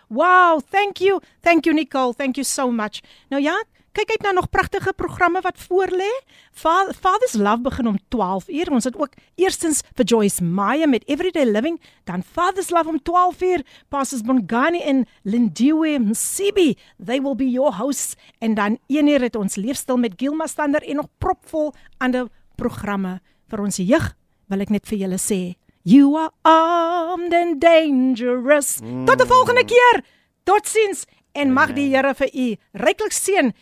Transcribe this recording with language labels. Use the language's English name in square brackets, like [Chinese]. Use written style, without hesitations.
[English] Wow, thank you Nicole, thank you so much. [Afrikaans] Nou ja, kyk uit na nog pragtige programme wat voor lê. Father's Love begin om 12 uur. Ons het ook eerstens vir Joyce Meyer met Everyday Living. Dan Father's Love om 12 uur. Pastors Bongani en Lindiwe Msibi. [English] They will be your hosts. [Afrikaans] En dan 1 uur het ons Leefstil met Gilma Stander. En nog propvol ander programme. Vir ons jeug wil ek net vir julle sê. [English] You are armed and dangerous. [Afrikaans] Tot die volgende keer. Tot ziens. En mag die Here vir u ryklik seën.